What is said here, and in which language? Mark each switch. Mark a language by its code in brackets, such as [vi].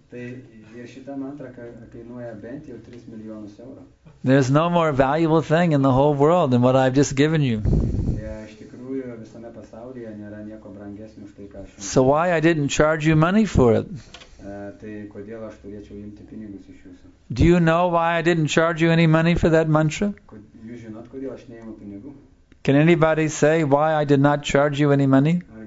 [lt] Ir šita mantra kainuoja bent jau 3 milijonus eurų. [en] There's no more valuable thing in the whole world than what I've just given you. [lt] Iš tikrųjų visame pasaulyje nėra nieko brangesnio už tai, ką aš jums. [en] So why I didn't charge you money for it? [lt] Tai kodėl aš turėčiau imti pinigus iš jūsų? [en] Do you know why I didn't charge you any money for that mantra? [lt] Jūs žinot, kodėl aš neimu pinigų? [en] Can anybody say why I did not charge you any money?